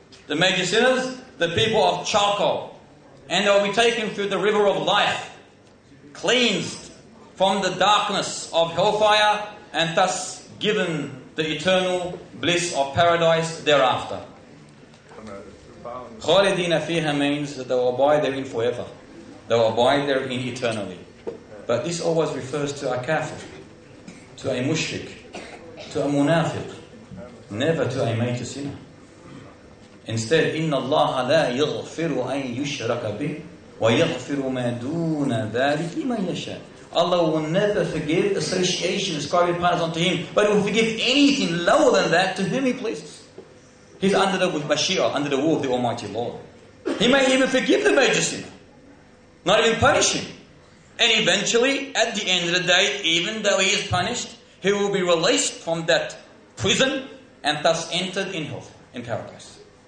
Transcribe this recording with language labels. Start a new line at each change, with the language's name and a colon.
English: The major sinners, the people of charcoal. And they will be taken through the river of life, cleansed from the darkness of hellfire, and thus given the eternal bliss of paradise thereafter. Khalidina fiha means that they will abide therein forever. They will abide therein eternally. But this always refers to a kafir, to a mushrik, to a munafiq, never to a major sinner. Instead,
Arabic: إِنَّ اللَّهَ لَا يَغْفِرُ أَن يُشْرَكَ بِهِ وَيَغْفِرُ مَا دُونَ ذَلِكِ مَنْ يَشَاءُ.
English: Allah will never forgive association ascribing partners unto Him, but He will forgive anything lower than that to whom He pleases. He's under the Bashir, under the rule of the Almighty Lord. He may even forgive the major sinner. Not even punish him. And eventually, at the end of the day, even though he is punished, he will be released from that prison and thus entered in hell, in paradise.